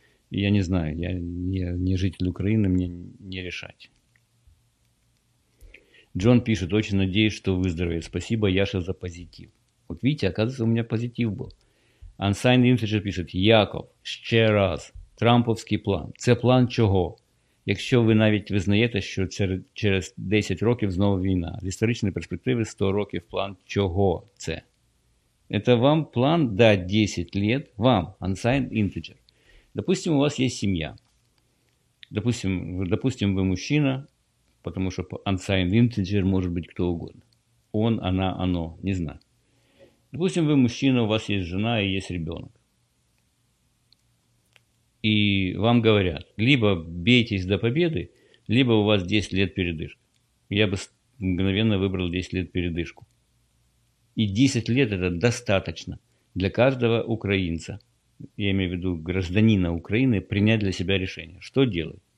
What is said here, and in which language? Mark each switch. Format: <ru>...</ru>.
<ru>Я не знаю, я не житель Украины, мне не решать. Джон пишет, очень надеюсь, что выздоровеет. Спасибо, Яша, за позитив. Вот видите, оказывается, у меня позитив был. Unsigned Infinite пишет,</ru> <uk>Яков, ще раз, трамповський план. Це план чого? Якщо ви навіть визнаєте, що через 10 років знову війна. В історичної перспективи 100 років план чого це? Це вам план дати 10 років, вам, unsigned integer. Допустим, у вас є сім'я. Допустим, ви мужчина, тому що unsigned integer може бути хто угодно. Он, вона, оно, не знаю. Допустим, ви мужчина, у вас є жена і є ребенок.</uk> <ru>И вам говорят, либо бейтесь до победы, либо у вас 10 лет передышка. Я бы мгновенно выбрал 10 лет передышку. И 10 лет это достаточно для каждого украинца, я имею в виду гражданина Украины, принять для себя решение. Что делать?</ru>